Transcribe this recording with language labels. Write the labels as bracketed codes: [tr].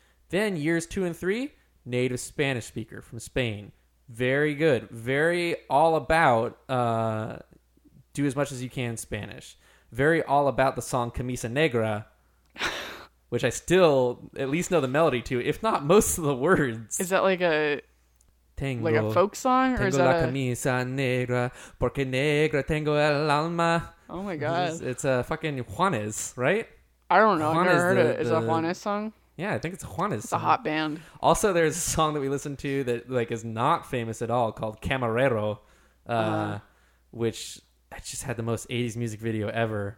[en] Then years 2 and 3, native Spanish speaker from Spain. Very good. Very all about do as much as you can in Spanish. Very all about the song Camisa Negra, which I still at least know the melody to, if not most of the words. Is that like a [es] tengo, [en] like a folk song? Or [es] tengo [en] is that [es] la camisa negra, porque negra tengo el alma. [en] Oh my God. It's a fucking Juanes, right? I don't know. Juanes, I've never heard it. Is it a Juanes song? Yeah, I think it's Juanes. It's a hot band. Also, there's a song that we listened to that like is not famous at all called Camarero, which I just had the most 80s music video ever.